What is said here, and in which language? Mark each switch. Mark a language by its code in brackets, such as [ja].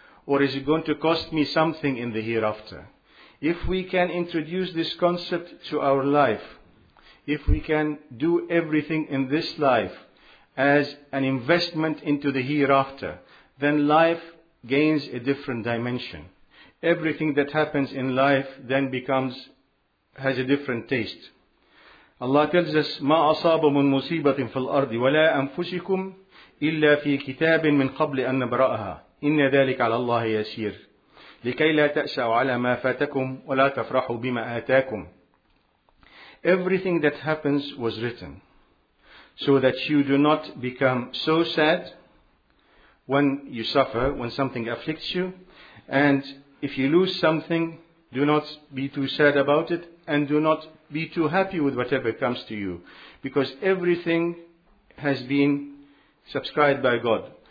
[en] Or is it going to cost me something in the hereafter? If we can introduce this concept to our life, if we can do everything in this life as an investment into the hereafter, then life gains a different dimension. Everything that happens in life then has a different taste. Allah tells us, [ar] مَا أَصَابَ مُنْ مُصِيبَةٍ فِي الْأَرْضِ وَلَا أَنفُسِكُمْ إِلَّا فِي كِتَابٍ مِّنْ قَبْلِ أَنَّ بَرَأَهَا إِنَّ ذَلِكَ عَلَى اللَّهِ يَسِيرٌ لِكَيْ لَا تَأْسَعُ عَلَى مَا فَاتَكُمْ وَلَا تَفْرَحُ بِمَا آتَاكُمْ. [en] Everything that happens was written so that you do not become so sad when you suffer, when something afflicts you. And if you lose something, do not be too sad about it, and do not be too happy with whatever comes to you, because everything has been subscribed by God.